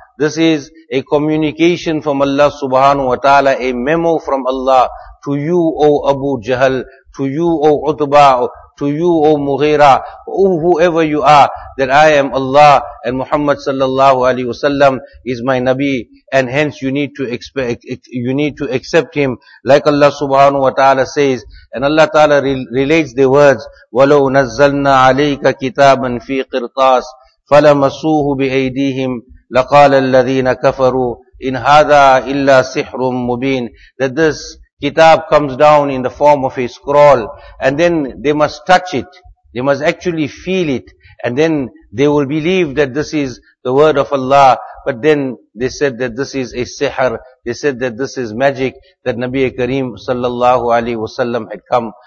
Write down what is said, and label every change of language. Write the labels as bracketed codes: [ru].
[en] This is a communication from Allah subhanahu wa ta'ala, a memo from Allah to you, O Abu Jahl, to you, O Utbah, to you, O Mughira, O whoever you are, that I am Allah and Muhammad sallallahu alayhi wasallam is my Nabi, and hence you need to accept him, like Allah subhanahu wa ta'ala says. And Allah ta'ala relates the words, [ar] وَلَوْ نَزَّلْنَا عَلَيْكَ كِتَابًا فِي قِرْطَاسٍ فَلَمَسُوهُ بِأَيْدِيهِمْ لَقَالَ الَّذِينَ كَفَرُوا إِنْ هَذَا إِلَّا سِحْرٌ مُبِينٌ. [en] That this kitab comes down in the form of a scroll, and then they must touch it, they must actually feel it, and then they will believe that this is the word of Allah. But then they said that this is a sihr. They said that this is magic that Nabi Kareem sallallahu alaihi wasallam had come.